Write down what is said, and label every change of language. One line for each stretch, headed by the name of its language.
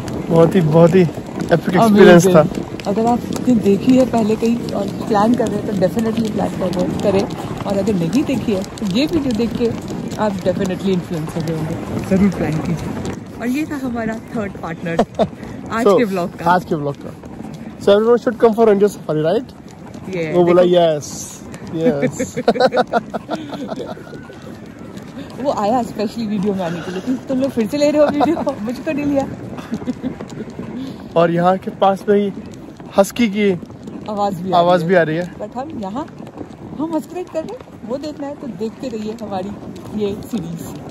Hindi: बहुत ही epic experience था। अगर आपने देखी है पहले कहीं और प्लान कर रहे हैं तो डेफिनेटली प्लान करें, और अगर नहीं देखी है तो ये वीडियो देख के आप डेफिनेटली इन्फ्लुएंस हो जाएंगे, जरूर प्लान कीजिए। और ये था हमारा थर्ड पार्टनर आज के ब्लॉग का, आज के ब्लॉग का।
English: So everyone should come for Reindeer Safari, right? Yeah.
Hindi: वो बोला yes, वो आया specially video में आने के लिए। तुम लोग फिर से ले रहे हो video, मुझे तो नहीं लिया। और यहाँ के पास में ही हस्की की आवाज भी आ रही है। But हम यहाँ हस्की कर रहे हैं, वो देखना है तो देखते रहिए हमारी ये सीरीज।